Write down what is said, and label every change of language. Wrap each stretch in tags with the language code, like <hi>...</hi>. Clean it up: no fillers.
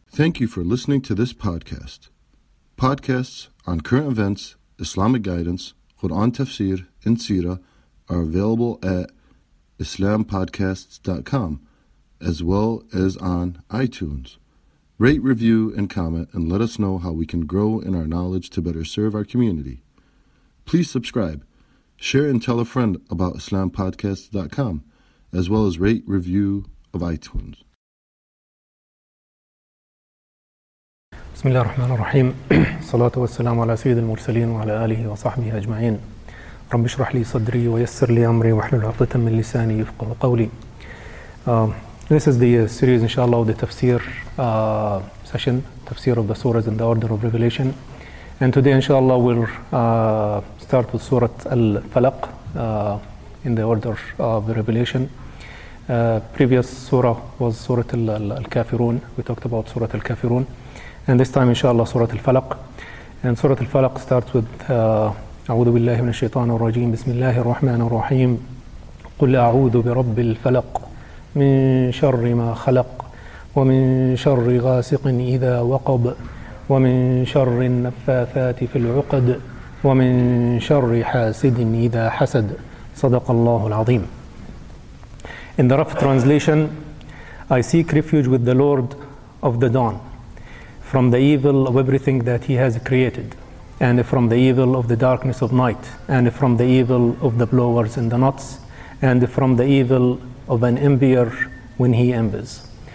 <en>Thank you for listening to this podcast. Podcasts on current events, Islamic guidance, Quran Tafsir, and Sirah are available at IslamPodcasts.com as well as on iTunes. Rate, review, and comment and let us know how we can grow in our knowledge to better serve our community. Please subscribe, share, and tell a friend about IslamPodcasts.com as well as rate, review of iTunes.</en> <ar>بسم الله الرحمن الرحيم الصلاة والسلام على سيد المرسلين وعلى آله وصحبه أجمعين رب اشرح لي صدري ويسر لي أمري واحلل عقدة من لساني يفقه قولي</ar> <en>This is the series inshallah of the tafsir session, tafsir of the surahs in the order of revelation. And today inshallah we'll start with Surat Al-Falaq in the order of the revelation. Previous surah was Surat Al-Kafirun. We talked about Surat Al-Kafirun. And this time, inshallah, Surah Al-Falaq. And Surah Al-Falaq starts with</en> <ar>أعوذ بالله من الشيطان الرجيم بسم الله الرحمن الرحيم قل أعوذ برب الفلق من شر ما خلق ومن شر غاسق إذا وقب ومن شر النفاثات في العقد ومن شر حاسد إذا حسد صدق الله العظيم.</ar> <en>In the rough translation, I seek refuge with the Lord of the Dawn from the evil of everything that he has created, and from the evil of the darkness of night, and from the evil of the blowers and the knots, and from the evil of an envier when he envies.</en>